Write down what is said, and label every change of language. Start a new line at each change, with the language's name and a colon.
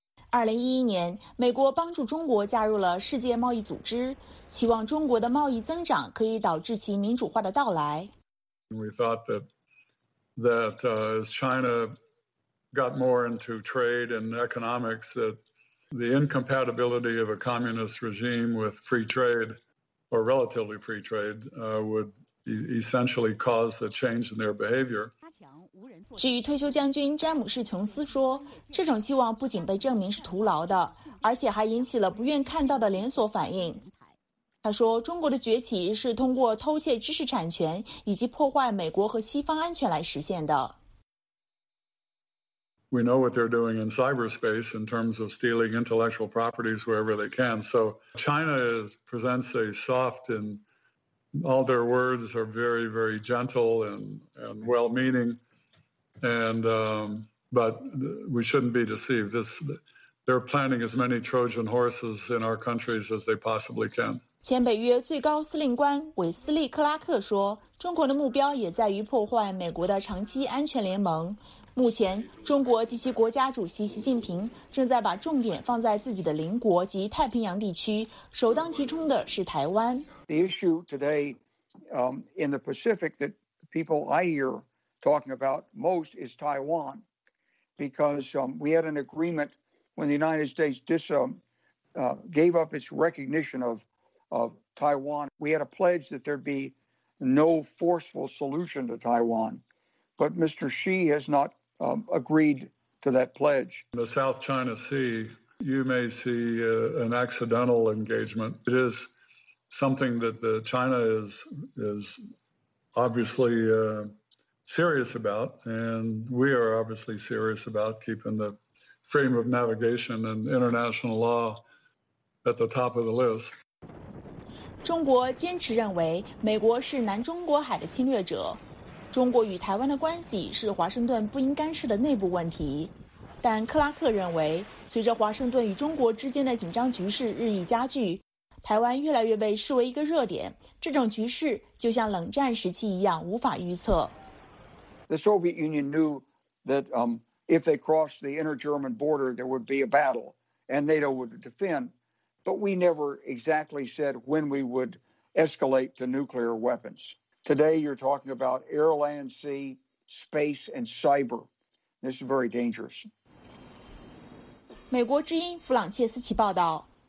Chinese: 2011年，美国帮助中国加入了世界贸易组织，期望中国的贸易增长可以导致其民主化的到来。
English: We thought that as China got more into trade and economics, that the incompatibility of a communist regime with free trade or relatively free trade would essentially cause a change in their behavior.
Chinese: 据退休将军詹姆士·琼斯说，这种期望不仅被证明是徒劳的，而且还引起了不愿看到的连锁反应。他说，中国的崛起是通过偷窃知识产权以及破坏美国和西方安全来实现的。
English: We know what they're doing in cyberspace in terms of stealing intellectual properties wherever they can. So China presents a soft and all their words are very, very gentle and well-meaning. But we shouldn't be deceived. They're planning as many Trojan horses in our countries as they possibly can.
Chinese: 前北约最高司令官韦斯利·克拉克说，中国的目标也在于破坏美国的长期安全联盟。目前，中国及其国家主席习近平正在把重点放在自己的邻国及太平洋地区，首当其冲的是台湾。
English: The issue today, in the Pacific that people I hear. Talking about most is Taiwan, because we had an agreement when the United States gave up its recognition of Taiwan. We had a pledge that there'd be no forceful solution to Taiwan, but Mr. Xi has not agreed to that pledge. In the South China Sea, you may see an accidental engagement. It is something that China is obviously... serious about, and we are obviously serious about keeping the frame of navigation and international law at the top of the list.
Chinese: 中国坚持认为美国是南中国海的侵略者，中国与台湾的关系是华盛顿不应干涉的内部问题。但克拉克认为，随着华盛顿与中国之间的紧张局势日益加剧，台湾越来越被视为一个热点，这种局势就像冷战时期一样无法预测。
English: The Soviet Union knew that if they crossed the inner German border, there would be a battle and NATO would defend. But we never exactly said when we would escalate to nuclear weapons. Today, you're talking about air, land, sea, space, and cyber. This is very dangerous.
Chinese: 美国之音弗朗切斯奇报道。